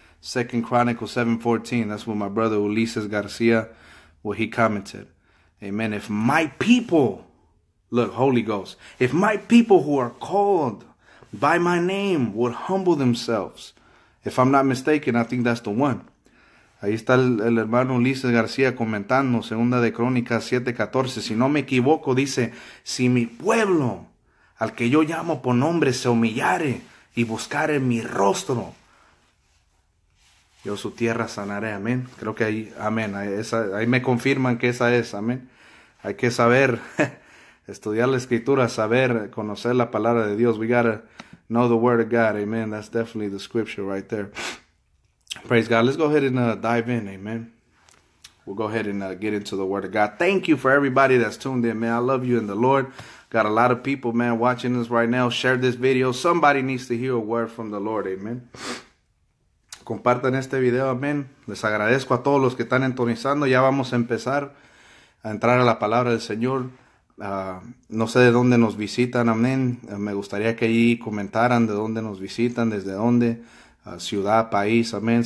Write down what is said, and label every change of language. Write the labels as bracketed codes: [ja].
[en] 2 Chronicles 7:14. That's what my brother Ulises Garcia, what he commented. Amen. If my people, look, Holy Ghost. If my people who are called by my name would humble themselves. If I'm not mistaken, I think that's the one. [es] Ahí está el hermano Ulises García comentando, 2 Crónicas 7:14. Si no me equivoco, dice, si mi pueblo, al que yo llamo por nombre, se humillare y buscare mi rostro, yo su tierra sanaré. Amén. Creo que ahí, amén. Ahí me confirman que esa es. Amén. Hay que saber, estudiar la escritura, saber, conocer la palabra de Dios. [en] We gotta know the word of God. [es] Amen. [en] That's definitely the scripture right there. Praise God. Let's go ahead and dive in. Amen. We'll go ahead and get into the word of God. Thank you for everybody that's tuned in, man. I love you in the Lord. Got a lot of people, man, watching this right now. Share this video. Somebody needs to hear a word from the Lord. [es] Amen. Compartan este video, amén. Les agradezco a todos los que están entonizando. Ya vamos a empezar a entrar a la palabra del Señor. No sé de dónde nos visitan, amén. Me gustaría que ahí comentaran de dónde nos visitan, desde dónde, ciudad, país, amén.